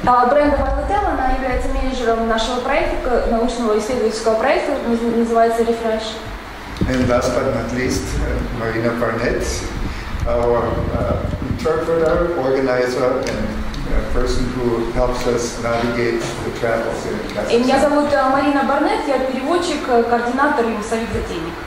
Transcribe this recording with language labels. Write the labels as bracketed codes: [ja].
[ru] Бренда Вайлотел, она является менеджером нашего проекта, научного исследовательского проекта, называется REFRESH. [en] And last but not least, Marina Barnett, our interpreter, organizer, and person who helps us navigate the travels in Kazakhstan. [ru] Меня зовут Марина Барнетт, я переводчик, координатор и советник.